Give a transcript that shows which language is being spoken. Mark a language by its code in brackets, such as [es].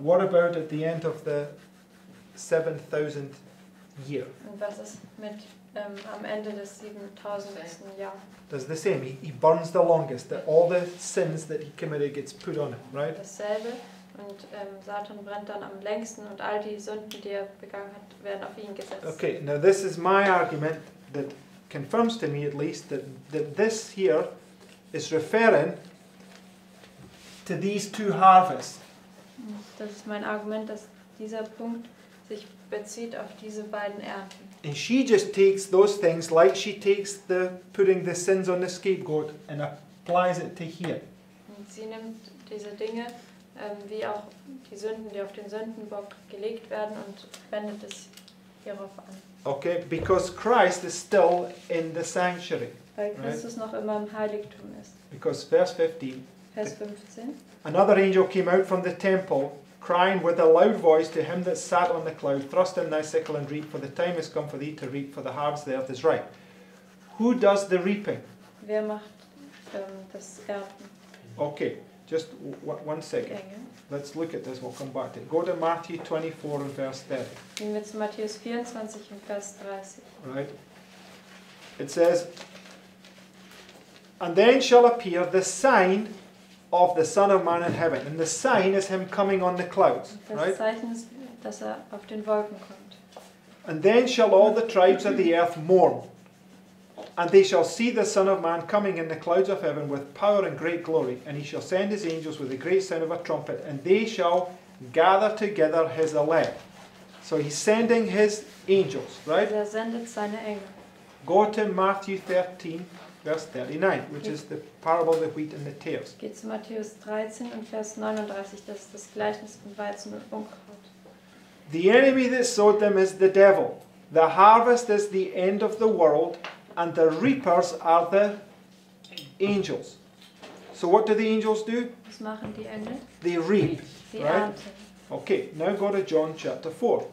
[en] What about at the end of the 7,000 year? [de] Und was ist mit am Ende des 7,000. Jahres? [en] Does the same. He burns the longest. That all the sins that he committed gets put on him, right? [de] Dasselbe. Und Satan brennt dann am längsten und all die Sünden, die er begangen hat, werden auf ihn gesetzt. [en] Okay, now this is my argument that confirms to me at least that this here is referring to these two harvests. [de] Das ist mein Argument, dass dieser Punkt sich bezieht auf diese beiden Ernten. [en] And she just takes those things like she takes the putting the sins on the scapegoat and applies it to here. [de] Und sie nimmt diese Dinge, wie auch die Sünden, die auf den Sündenbock gelegt werden, und wendet es hierauf an. [en] Okay, because Christ is still in the sanctuary. [de] weil Christus [en] right? [de] noch immer im Heiligtum ist. [en] Because verse 15, [de] Vers 15. [en] Another angel came out from the temple, crying with a loud voice to him that sat on the cloud, thrust in thy sickle and reap, for the time has come for thee to reap, for the harvest of the earth is ripe. Who does the reaping? [de] Wer macht das Ernten? [en] Okay, just one second. Engel. Let's look at this, we'll come back to it. Go to Matthew 24 and verse 30. [de] Gehen wir zu Matthäus 24 und Vers 30. [en] Right. It says, and then shall appear the sign of the Son of Man in heaven. And the sign is him coming on the clouds. [de] Das [en] right? [de] Zeichen ist, dass er auf den Wolken kommt. [en] And then shall all the tribes of the earth mourn. And they shall see the Son of Man coming in the clouds of heaven with power and great glory. And he shall send his angels with the great sound of a trumpet. And they shall gather together his elect. So he's sending his angels, right? [de] Er sendet seine Engel. [en] Go to Matthew 13, verse 39, which is the parable of the wheat and the tares. [de] Geht zu Matthäus 13 und Vers 39, das ist das Gleichnis von Weizen und Unkraut. [en] The enemy that sowed them is the devil. The harvest is the end of the world, and the reapers are the angels. So what do the angels do? [de] Was machen die Engel? [en] They reap. [de] Sie [en] right? [de] ernten. [en] Okay, now go to John chapter 4.